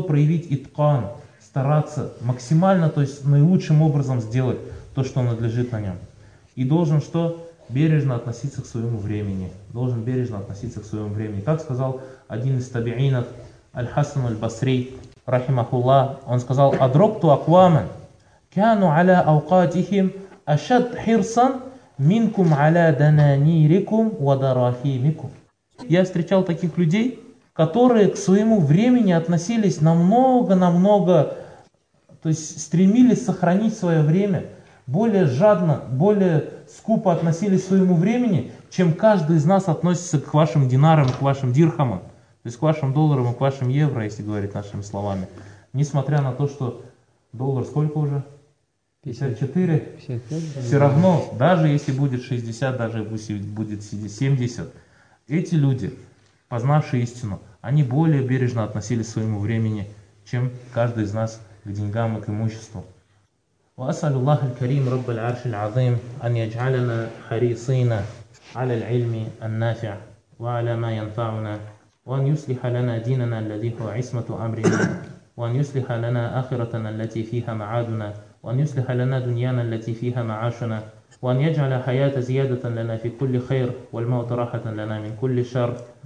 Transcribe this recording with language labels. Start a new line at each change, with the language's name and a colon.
Russian: Проявить иткан, стараться максимально, то есть наилучшим образом сделать то, что надлежит на нем. И должен что? Бережно относиться к своему времени. Должен бережно относиться к своему времени. Как сказал один из табиинов, Аль-Хасан Аль-Басри, рахимахуллах, он сказал:
Arabic: «Адрокту акваман». كانوا على أوقاتهم أشد حرصا منكم على دنانيركم ودراهمكم.
Russian: Я встречал таких людей, которые к своему времени относились намного, то есть стремились сохранить свое время, более жадно, более скупо относились к своему времени, чем каждый из нас относится к вашим динарам, к вашим дирхамам, то есть к вашим долларам и к вашим евро, если говорить нашими словами. Несмотря на то, что доллар сколько уже? 54, 55, все равно, даже если будет 60, даже если будет 70, эти люди, познавшие истину, они более бережно относились к своему времени, чем каждый из нас к деньгам и к имуществу.
Arabic: وَأَسْأَلُ اللَّهَ الْكَرِيمُ رَبَّ الْعَرْشِ الْعَظِيمُ أَنْ يَجْعَلَنَا حَرِيصِينَ عَلَى الْعِلْمِ النَّافِعِ وَعَلَى مَا يَنْفَعُنَا وَأَنْ يُسْلِحَ لَنَا دِينَنَا الَّذِي هُوَ عِصْمَةُ أَمْرِنَا وَأَنْ يُسْلِحَ لَنَا آخِرَتَنَا الَّتِي فِيهَا مَعَادُنَا وأن يصلح لنا دنيانا التي فيها معاشنا وأن يجعل حياة زيادة لنا في كل خير والموت راحة لنا من كل شر